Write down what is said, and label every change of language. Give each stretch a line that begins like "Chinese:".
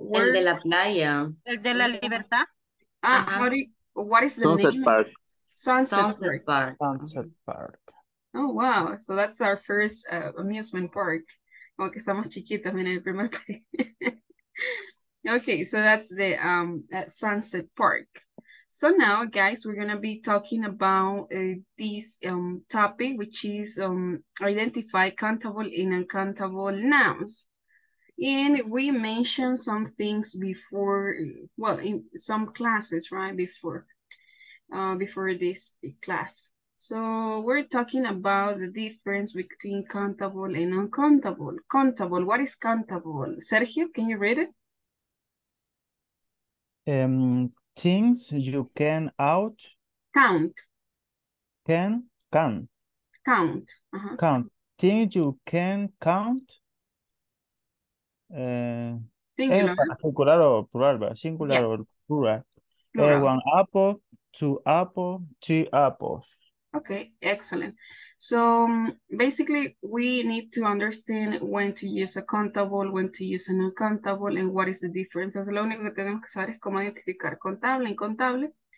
Spanish: Where? El de la playa. El de la libertad.
English: Ah, uh-huh. What is the Sunset name? Sunset Park. Sunset Park. Sunset Park. Oh, wow. So that's our first amusement park.
Spanish: Como que estamos chiquitos en el primer parque.
English: Okay, so that's the Sunset Park. So now, guys, we're going to be talking about this topic, which is identify countable and uncountable nouns. And we mentioned some things before, well, in some classes, right, before this class. So we're talking about the difference between countable and uncountable. Countable, what is countable? Sergio, can you read it? Things you can out count can count count things you can count singular or plural singular yeah. or plural, plural. One apple, two apple, three apples. Okay, excellent. So basically we need to understand when to use a countable, when to use an uncountable, and what is the difference.
Spanish: Entonces, lo único que tenemos que saber es cómo identificar contable, incontable.